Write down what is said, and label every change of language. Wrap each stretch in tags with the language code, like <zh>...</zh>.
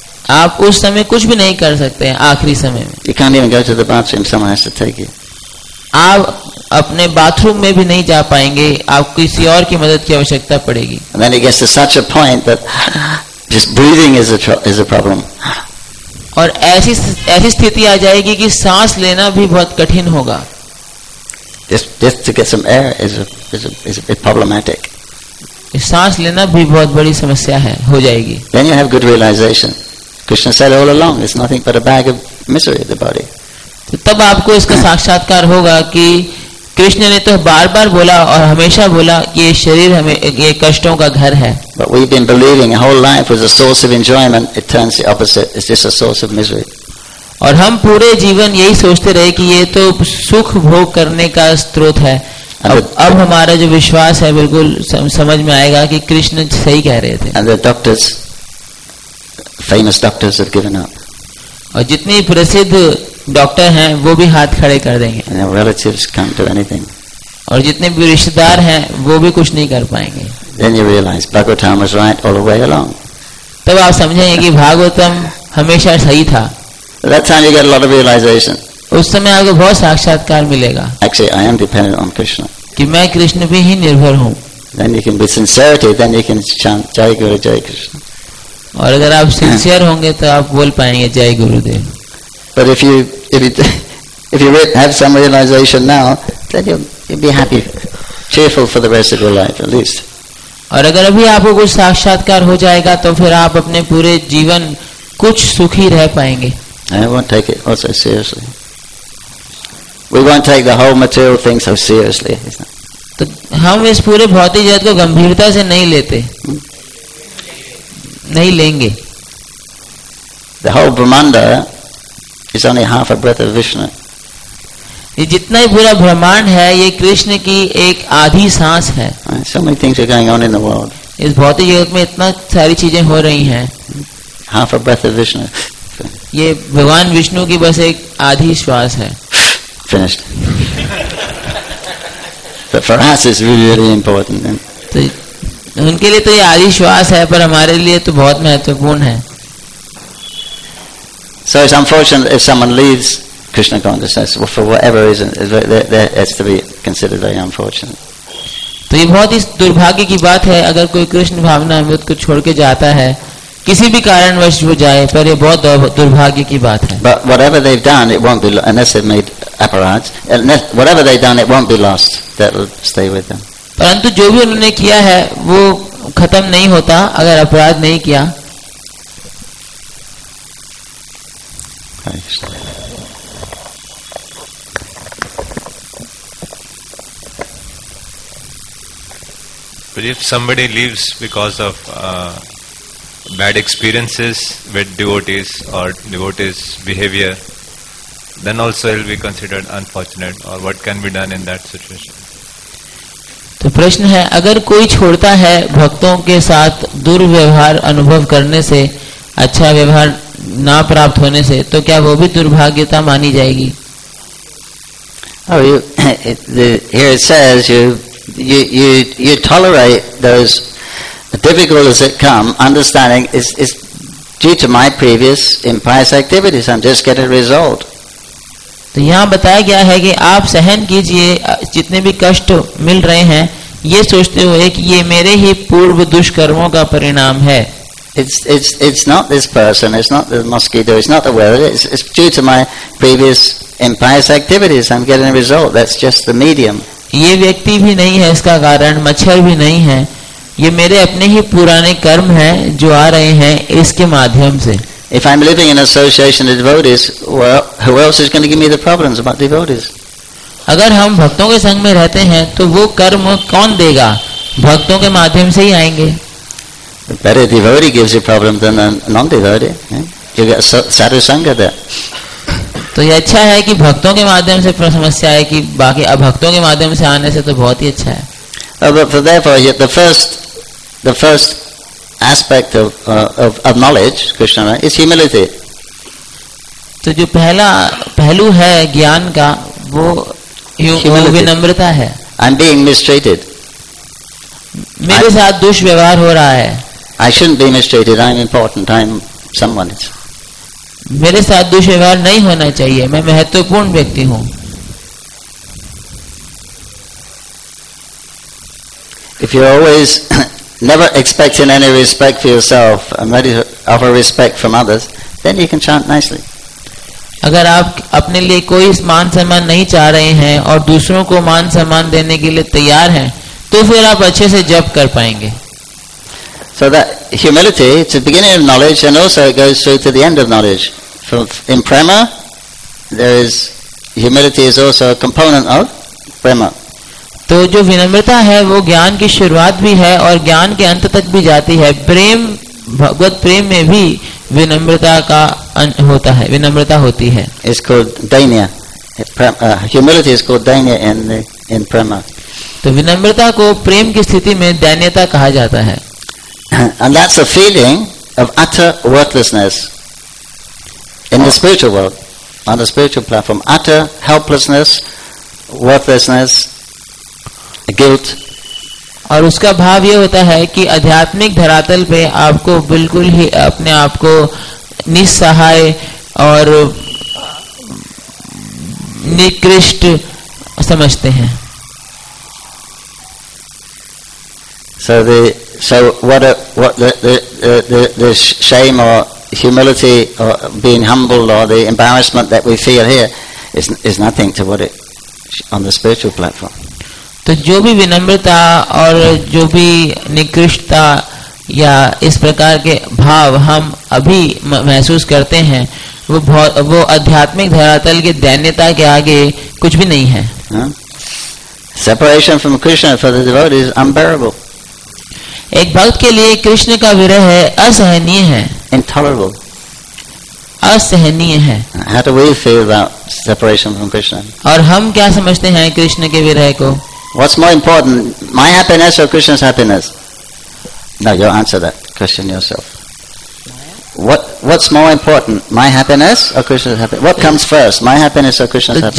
<hi>आप उस समय कुछ भी नहीं कर सकते हैं आखिरी समय में.</hi> <en>You can't even go to the bathroom. Someone has to take you.</en> <hi>आप अपने बाथरूम में भी नहीं जा पाएंगे. आपको किसी और की मदद की आवश्यकता पड़ेगी.</hi> <en>And then it gets to such a point that just breathing is a problem.</en> <hi>और ऐसी स्थिति आ जाएगी कि सांस लेना भी बहुत कठिन होगा.</hi> <en>Just to get some air is a bit problematic.</en> <hi>सांस लेना भी बहुत बड़ी समस्या है हो जाएगी.</hi> <en>Then you have good realization. Krishna said all along, it's nothing but a bag of misery, the body.</en> <hi>तब आपको इसका साक्षात्कार होगा कि कृष्ण ने तो बार बार बोला और हमेशा बोला कि ये शरीर हमें ये कष्टों का घर है।</hi> <en>But we've been believing our whole life was a source of enjoyment. It turns the opposite. It's just a source of misery.</en> <hi>और हम पूरे जीवन यही सोचते रहे कि ये तो सुख भोग करने का स्रोत है। अब हमारा जो विश्वास है बिल्कुल समझ में आएगा कि कृष्ण सही कह रहे थे।</hi> <en>And the doctors, famous doctors, have given up.</en> <hi>और जितने प्रसिद्ध डॉक्टर हैं वो भी हाथ खड़े कर देंगे।</hi> <en>And their relatives can't do anything.</en> <hi>और जितने भी रिश्तेदार हैं वो भी कुछ नहीं कर पाएंगे।</hi> <en>Then you realize Bhagavatam was right all the way along.</en> <hi>तब आप समझेंगे कि भागवतम हमेशा सही था।</hi> <en>That time you get a lot of realization.</en> <hi>उस समय आपको बहुत साक्षात्कार मिलेगा।</hi> <en>Actually, I am dependent on Krishna.</en> <hi>कि मैं कृष्ण पे ही निर्भर हूँ।</hi> <en>Then you can be sincerity. Then you can chant Jai Guru Jai Krishna.</en> <hi>और अगर आप सिंसियर होंगे तो आप बोल पाएंगे जय गुरुदेव।</hi> <en>But if you have some realization now, then you'll be happy, cheerful for the rest of your life at least.</en> <hi>और अगर अभी आपको कुछ साक्षात्कार हो जाएगा तो फिर आप अपने पूरे जीवन कुछ सुखी रह पाएंगे।</hi> <en>I won't take it also seriously. We won't take the whole material thing so seriously.</en> <hi>तो हम इस पूरे भौतिक जगत को गंभीरता से नहीं लेते। नहीं लेंगे।</hi> <en>The whole Brahmand is only half a breath of Vishnu.</en> <hi>ये जितना ही पूरा ब्रह्मांड है, ये कृष्ण की एक आधी सांस है।</hi> <en>So many things are going on in the world.</en> <hi>इस भौतिक जगत में इतना सारी चीजें हो रही हैं।</hi> <en>Half a breath of Vishnu.</en> <hi>ये भगवान विष्णु की बस एक आधी श्वास है।</hi> <en>Finished. But for us, it's really, really important.</en> <hi>उनके लिए तो ये आधी श्वास है पर हमारे लिए तो बहुत महत्वपूर्ण है।</hi> <en>So it's unfortunate if someone leaves Krishna consciousness for whatever reason. It has to be considered very unfortunate.</en> <hi>तो ये बहुत ही दुर्भाग्य की बात है अगर कोई कृष्ण भावना अमृत को छोड़ के जाता है किसी भी कारणवश वो जाए पर ये बहुत दुर्भाग्य की बात है।</hi> <en>But whatever they've done, it won't be unless they've made apparatus. Whatever they've done, it won't be lost. That will stay with them.</en> <hi>परंतु जो भी उन्होंने किया है वो खत्म नहीं होता अगर अपराध नहीं किया।</hi> <en>But if somebody leaves because of bad experiences with devotees or devotees' behavior, then also it will be considered unfortunate. Or what can be done in that situation?</en> <hi>तो प्रश्न है अगर कोई छोड़ता है भक्तों के साथ दुर्व्यवहार अनुभव करने से अच्छा व्यवहार ना प्राप्त होने से तो क्या वो भी दुर्भाग्यता मानी जाएगी?</hi> <en>Oh, you, here it says you tolerate those difficulties that come, understanding is due to my previous impious activities. I'm just getting a result.</en> <hi>तो यहाँ बताया गया है कि आप सहन कीजिए जितने भी कष्ट मिल रहे हैं ये सोचते हुए कि ये मेरे ही पूर्व दुष्कर्मों का परिणाम है।</hi> <en>It's not this person, it's not the mosquito, it's not the weather, it's due to my previous impious activities. I'm getting a result. That's just the medium.</en> <hi>ये व्यक्ति भी नहीं है इसका कारण, मच्छर भी नहीं है, ये मेरे अपने ही पुराने कर्म हैं जो आ रहे हैं इसके माध्यम से।</hi> <en>If I'm living in association with devotees, well, who else is going to give me the problems about devotees?</en> <hi>अगर हम भक्तों के संग में रहते हैं, तो वो कर्म कौन देगा? भक्तों के माध्यम से ही आएंगे।</hi> <en>Better devotee gives you problems than a non-devotee. You get a satsanga there.</en> <hi>तो ये अच्छा है कि भक्तों के माध्यम से समस्या है कि बाकी अभक्तों के माध्यम से आने से तो बहुत ही अच्छा है।</hi> <en>But therefore, the first aspect of knowledge, Krishna, is humility.</en> <hi>तो जो पहला पहलू है ज्ञान का वो विनम्रता है।</hi> <en>I'm being mistreated.</en> <hi>मेरे साथ दुष्व्यवहार हो रहा है।</hi> <en>I shouldn't be mistreated. I'm important. I'm someone.</en> <hi>मेरे साथ दुष्व्यवहार नहीं होना चाहिए। मैं महत्वपूर्ण व्यक्ति हूँ।</hi> <en>If you're always never expecting any respect for yourself and ready to offer respect from others, then you can chant nicely.</en> <hi>अगर आप अपने लिए कोई मान सम्मान नहीं चाह रहे हैं और दूसरों को मान सम्मान देने के लिए तैयार हैं, तो फिर आप अच्छे से जप कर पाएंगे।</hi> <en>So that humility, it's the beginning of knowledge and also it goes through to the end of knowledge. In prema, there is humility is also a component of</en> <hi>प्रेम। तो जो विनम्रता है वो ज्ञान की शुरुआत भी है और ज्ञान के अंत तक भी जाती है। प्रेम, भगवत प्रेम में भी विनम्रता का होता है, विनम्रता होती है। इसको दयनीय, ह्यूमिलिटी इसको दयनीय इन इन प्रेम। तो विनम्रता को प्रेम की स्थिति में दयनीयता कहा जाता है।</hi> <en>And that's a feeling of utter worthlessness in the spiritual world, on the spiritual platform, utter helplessness, worthlessness, guilt.</en> <hi>और उसका भाव यह होता है कि आध्यात्मिक धरातल पे आपको बिल्कुल ही अपने आप को निस्सहाय और निकृष्ट समझते हैं।</hi> <en>So the the shame or humility or being humbled or the embarrassment that we feel here is nothing to what it on the spiritual platform.</en> <hi>तो जो भी विनम्रता और जो भी निकृष्टता या इस प्रकार के भाव हम अभी महसूस करते हैं वो आध्यात्मिक धरातल के दैन्यता के आगे कुछ भी नहीं है।</hi> <en>Separation from Krishna for the devotee is unbearable.</en> <hi>एक भक्त के लिए कृष्ण का विरह है, असहनीय है,</hi> <en>intolerable,</en> <hi>असहनीय है।</hi> <en>How do we feel about separation from Krishna?</en> <hi>और हम क्या समझते हैं कृष्ण के विरह को?</hi> <en>What's more important, my happiness or Krishna's happiness? No, you answer that question yourself. What's more important, my happiness or Krishna's happiness? What comes first, my happiness or Krishna's happiness?</en>